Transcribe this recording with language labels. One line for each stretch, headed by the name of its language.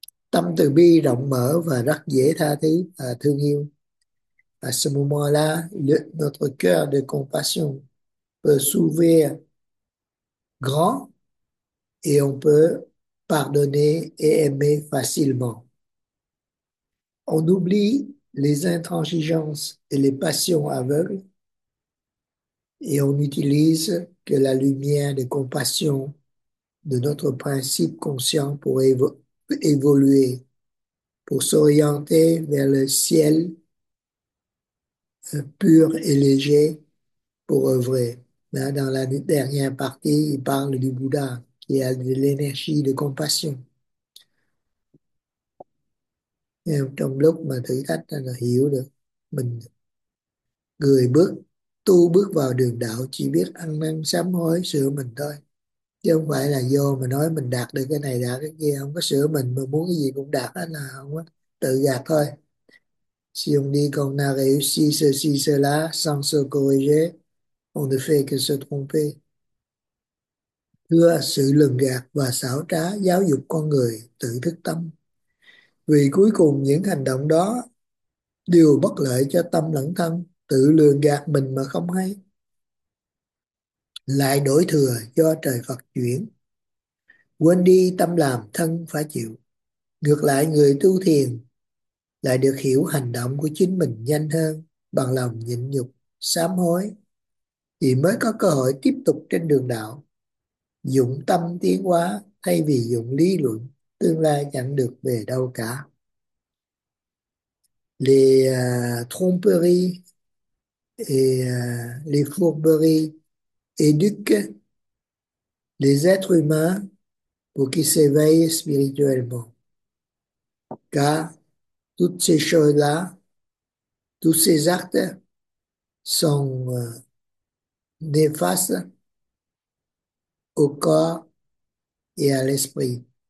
Vietnamese: Tâm từ bi rộng mở và rất dễ tha thứ và thương yêu.
French: À ce moment-là, notre cœur de compassion peut s'ouvrir grand et on peut pardonner et aimer facilement. On oublie les intransigeances et les passions aveugles et on n'utilise que la lumière de compassion de notre principe conscient pour évoluer, pour s'orienter vers le ciel pur et léger pour œuvrer. Là, dans la dernière partie, il parle du Bouddha qui a de l'énergie de compassion.
Vietnamese: Et trong lúc mà thử thách là hiểu được mình, người bước tu bước vào đường đạo chỉ biết ăn năn sám hối sửa mình thôi, chứ không phải là vô mà nói mình đạt được cái này đạt cái kia, không có sửa mình mà muốn cái gì cũng đạt hết là không có, tự gạt thôi.
French: Si on dit qu'on a réussi ceci, cela, sans se corriger, on ne fait que se tromper.
Vietnamese: Thưa, sự lừng gạt và xảo trá giáo dục con người tự thức tâm. Vì cuối cùng những hành động đó đều bất lợi cho tâm lẫn thân, tự lừa gạt mình mà không hay. Lại đổ thừa do trời Phật chuyển. Quên đi tâm làm thân phải chịu. Ngược lại người tu thiền lại được hiểu hành động của chính mình nhanh hơn, bằng lòng nhịn nhục, sám hối, thì mới có cơ hội tiếp tục trên đường đạo, dụng tâm tiến hóa thay vì dụng lý luận, tương lai chẳng được về đâu cả.
French: Les tromperies et les fourberies éduquent les êtres humains pour qu'ils s'éveillent spirituellement. Car toutes ces choses-là, tous ces actes sont néfastes au corps et à l'esprit.